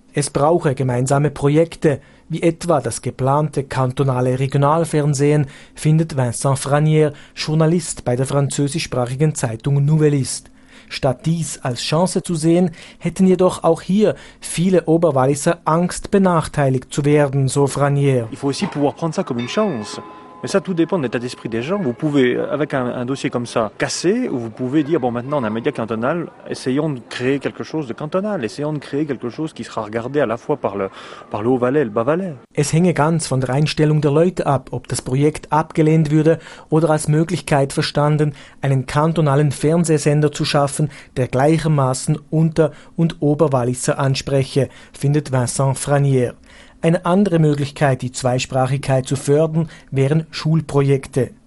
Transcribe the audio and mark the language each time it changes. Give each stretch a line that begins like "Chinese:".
German: Es brauche gemeinsame Projekte, wie etwa das geplante kantonale Regionalfernsehen, findet Vincent Franier, Journalist bei der französischsprachigen Zeitung Nouvelist. Statt dies als Chance zu sehen, hätten jedoch auch hier viele Oberwalliser Angst, benachteiligt zu werden, so Franier.
French: Il faut aussi pouvoir prendre ça comme une chance. Mais ça tout dépend de l'état d'esprit des gens. Vous pouvez, avec un dossier comme ça, casser, ou vous pouvez dire, bon, maintenant on a un média cantonal, essayons de créer quelque chose de cantonal, essayons de créer quelque chose qui sera regardé à la fois par le Haut-Valais et le Bas-Valais.
German: Es hänge ganz von der Einstellung der Leute ab, ob das Projekt abgelehnt würde oder als Möglichkeit verstanden, einen kantonalen Fernsehsender zu schaffen, der gleichermaßen Unter- und Oberwalliser anspreche, findet Vincent Franier. Eine andere Möglichkeit, die Zweisprachigkeit zu fördern, wären Schulprojekte.